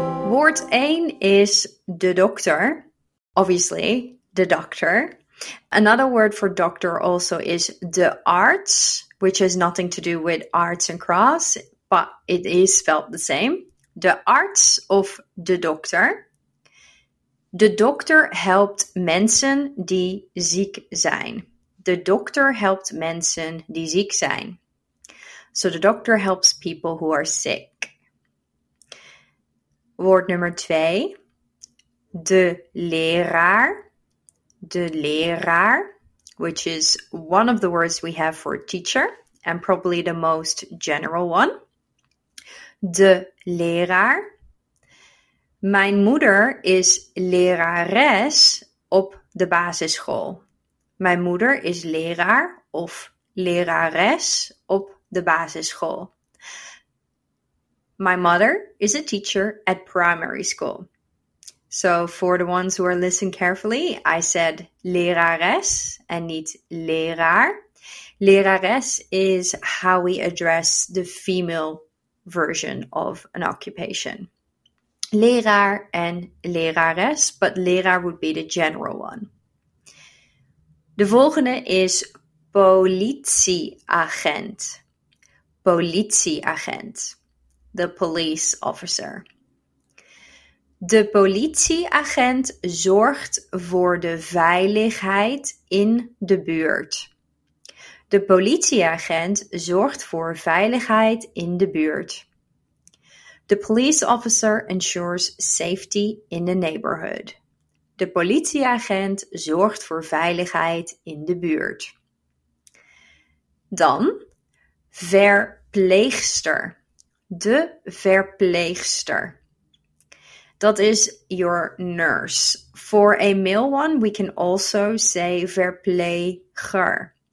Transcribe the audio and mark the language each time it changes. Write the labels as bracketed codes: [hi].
[en] Word 1 is de dokter. Obviously, de dokter. Another word for doctor also is de arts, which has nothing to do with arts and crafts, but it is spelled the same. [nl] De arts of de dokter. De dokter helpt mensen die ziek zijn. De dokter helpt mensen die ziek zijn. [en] So the doctor helps people who are sick. [nl] Woord nummer 2. De leraar. [en] De leraar, which is one of the words we have for teacher and probably the most general one. [nl] De leraar. Mijn moeder is lerares op de basisschool. Mijn moeder is leraar of lerares op de basisschool. [en] My mother is a teacher at primary school. So for the ones who are listening carefully, I said lerares and niet leraar. Lerares is how we address the female version of an occupation. Leraar and lerares, but leraar would be the general one. [nl] De volgende is politieagent. [en] Politieagent. The police officer. [nl] De politieagent zorgt voor de veiligheid in de buurt. De politieagent zorgt voor veiligheid in de buurt. [en] The police officer ensures safety in the neighborhood. [nl] De politieagent zorgt voor veiligheid in de buurt. Dan verpleegster. [en] De verpleegster. That is your nurse. For a male one, we can also say verpleger.